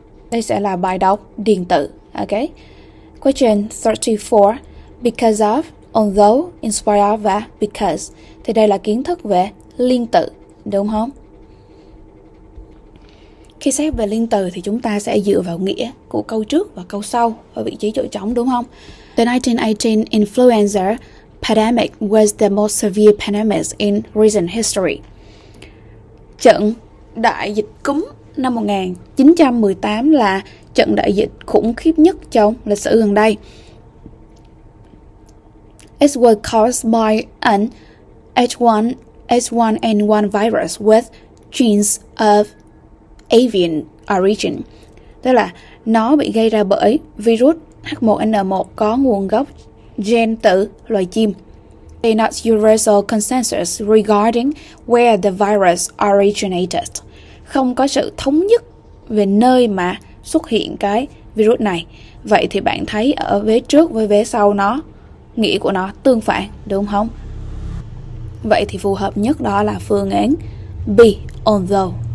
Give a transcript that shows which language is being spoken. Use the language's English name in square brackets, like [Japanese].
[Vietnamese] Đây sẽ là bài đọc điện tử. [English] Okay, question 34, because of, although, in spite of và because. [Vietnamese] Thì đây là kiến thức về liên tự, đúng không? Khi xét về liên từ thì chúng ta sẽ dựa vào nghĩa của câu trước và câu sau ở vị trí chỗ trống, đúng không? [English] The 1918 influenza pandemic was the most severe pandemic in recent history. [Vietnamese] Trận đại dịch cúm năm 1918 là trận đại dịch khủng khiếp nhất trong lịch sử gần đây. [English] It was caused by an H1N1 virus with genes of avian origin. [Vietnamese] Tức là nó bị gây ra bởi virus H1N1 có nguồn gốc gen từ loài chim. [English] There is not universal consensus regarding where the virus originated. [Vietnamese] Không có sự thống nhất về nơi mà xuất hiện cái virus này. Vậy thì bạn thấy ở vế trước với vế sau nó, nghĩa của nó tương phản, đúng không? Vậy thì phù hợp nhất đó là phương án B, although.